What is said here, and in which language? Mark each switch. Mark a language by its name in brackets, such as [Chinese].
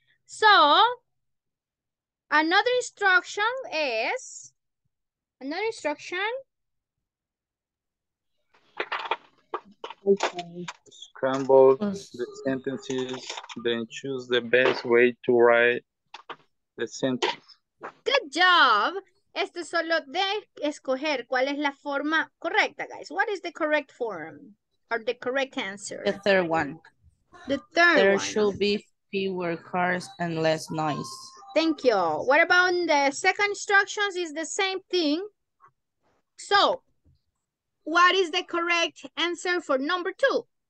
[English] So, another instruction is, another instruction. Scramble the sentences, then choose the best way to write the sentence. Good job. [Spanish] Este solo de escoger cuál es la forma correcta, guys. [English] What is the correct form or the correct answer? The third one. The third there one. There should be fewer cars and less noise. Thank you. What about the second instructions? Is the same thing. So, what is the correct answer for number two?